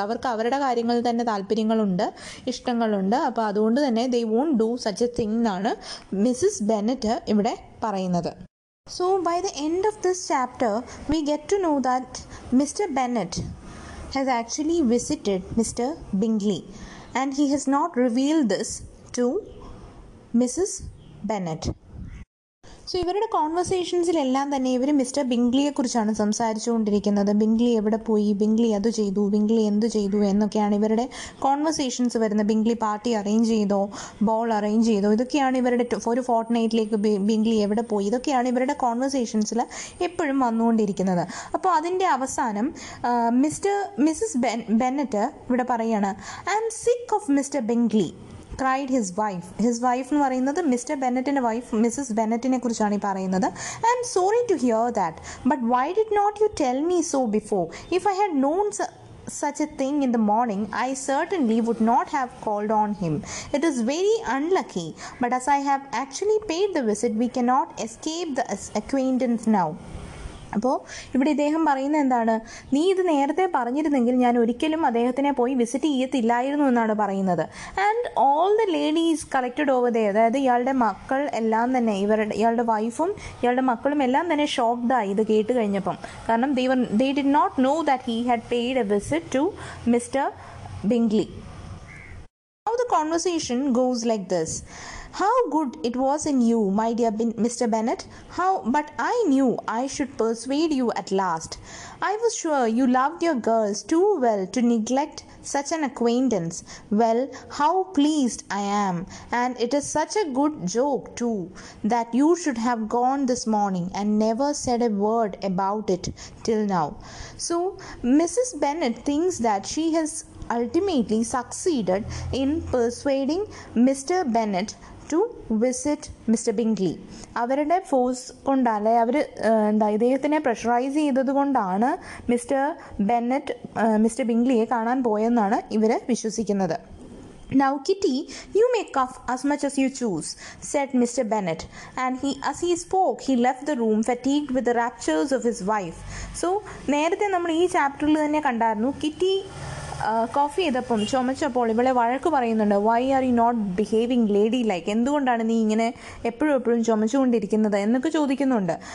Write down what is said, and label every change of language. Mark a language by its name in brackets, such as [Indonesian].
[Malayalam] അവർക്ക് അവരുടെ കാര്യങ്ങളിൽ തന്നെ താല്പര്യങ്ങളുണ്ട്, ഇഷ്ടങ്ങളുണ്ട്. അപ്പോൾ അതുകൊണ്ട് തന്നെ [English] they won't do such a thing [Malayalam] എന്നാണ് മിസ്സസ് ബെന്നറ്റ് ഇവിടെ പറയുന്നത്. [English] So by the end of this chapter we get to know that Mr Bennett has actually visited Mr. Bingley and he has not revealed this to Mrs. Bennett. [Malayalam] So ഇവരുടെ കോൺവെർസേഷൻസിലെല്ലാം തന്നെ ഇവർ mister ബിംഗ്ലിയെ കുറിച്ചാണ് സംസാരിച്ചുകൊണ്ടിരിക്കുന്നത്. Bingley എവിടെ പോയി, Bingley അത് ചെയ്തു, Bingley എന്ത് ചെയ്തു എന്നൊക്കെയാണ് ഇവരുടെ കോൺവെർസേഷൻസ് വരുന്നത്. ബിംഗ്ലി പാർട്ടി അറേഞ്ച് ചെയ്തോ, ബോൾ അറേഞ്ച് ചെയ്തോ, ഇതൊക്കെയാണ് ഇവരുടെ ഒരു ഫോർട്ട്നൈറ്റിലേക്ക് ബിംഗ്ലി എവിടെ പോയി, ഇതൊക്കെയാണ് ഇവരുടെ കോൺവെർസേഷൻസിൽ എപ്പോഴും വന്നുകൊണ്ടിരിക്കുന്നത്. അപ്പോൾ അതിൻ്റെ അവസാനം മിസ്റ്റർ മിസ്സസ് ബെന്നറ്റ് ഇവിടെ പറയാണ്, [English] I am sick of Mr Bingley, cried his wife. [Malayalam] His wife എന്ന് പറയുന്നത് മിസ്റ്റർ ബെന്നറ്റിൻ്റെ വൈഫ് മിസ്സസ് ബെന്നറ്റിനെ കുറിച്ചാണ് ഈ പറയുന്നത്. [English] I am sorry to hear that, but why did not you tell me so before? If I had known such a thing in the morning, I certainly would not have called on him. It is very unlucky, but as I have actually paid the visit, we cannot escape the acquaintance now. [Malayalam] അപ്പോൾ ഇവിടെ ഇദ്ദേഹം പറയുന്നത് എന്താണ്, നീ ഇത് നേരത്തെ പറഞ്ഞിരുന്നെങ്കിൽ ഞാൻ ഒരിക്കലും അദ്ദേഹത്തിനെ പോയി വിസിറ്റ് ചെയ്യത്തില്ലായിരുന്നു എന്നാണ് പറയുന്നത്. [English] and all the ladies collected over they, [Malayalam] അതായത് ഇയാളുടെ മക്കൾ എല്ലാം തന്നെ, ഇവരുടെ ഇയാളുടെ വൈഫും ഇയാളുടെ മക്കളും എല്ലാം തന്നെ ഷോക്ഡായി ഇത് കേട്ട് കഴിഞ്ഞപ്പം. [English] കാരണം they did not know that he had paid a visit to Mr Bingley. How the conversation goes like this: How good it was in you, my dear Mr. Bennett. How, but I knew I should persuade you at last. I was sure you loved your girls too well to neglect such an acquaintance. Well, how pleased I am. And it is such a good joke too, that you should have gone this morning and never said a word about it till now. So, Mrs. Bennett thinks that she has ultimately succeeded in persuading Mr. Bennett to visit Mr. Bingley. [Malayalam] അവരുടെ force കൊണ്ടല്ലേ, അവർ എന്താ ഇദ്ദേഹത്തിനെ pressurise ചെയ്തത് കൊണ്ടാണ് mister Bennett mister ബിംഗ്ലിയെ കാണാൻ പോയെന്നാണ് ഇവർ വിശ്വസിക്കുന്നത്. [English] Now, Kitty, you may cough as much as you choose, said Mr. Bennett. And he, as he spoke, he left the room fatigued with the raptures of his wife. [Malayalam] So, നേരത്തെ നമ്മൾ ഈ ചാപ്റ്ററിൽ തന്നെ കണ്ടായിരുന്നു, kitty coffee ചെയ്തപ്പം ചുമച്ചപ്പോൾ ഇവളെ വഴക്ക് പറയുന്നുണ്ട്, [English] why are you not behaving ladylike, [Malayalam] എന്തുകൊണ്ടാണ് നീ ഇങ്ങനെ എപ്പോഴും എപ്പോഴും ചുമച്ചുകൊണ്ടിരിക്കുന്നത് എന്നൊക്കെ ചോദിക്കുന്നുണ്ട്.